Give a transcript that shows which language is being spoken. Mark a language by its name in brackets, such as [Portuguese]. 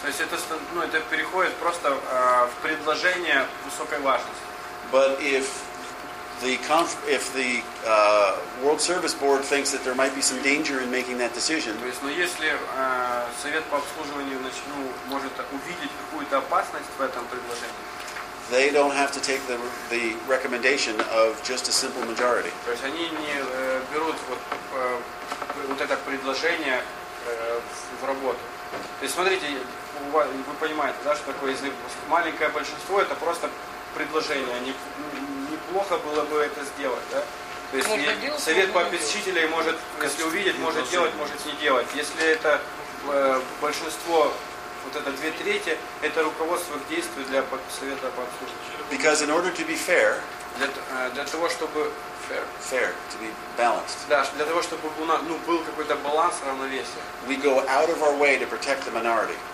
[Russian] То есть это переходит просто в предложение высокой важности. [English] But if World Service Board thinks that there might be some danger in making that decision. [Russian] То есть, но если совет по обслуживанию может увидеть какую-то опасность в этом предложении. [English] They don't have to take the recommendation of just a simple majority. [Russian] То есть они не берут вот это предложение в работу. То есть смотрите, вы понимаете, да, что такое маленькое большинство, это просто предложение, они плохо было бы это сделать, да? То есть совет по попечителям может, если увидеть, может делать, может не делать. Если это большинство, вот это две трети, это руководство к действию для совета по обслуживанию. [English] Because in order to be fair, [Russian] для того, чтобы [English] fair, to be balanced. [Russian] Да, для того, чтобы был какой-то баланс, равновесие. [English] We go out of our way to protect the minority.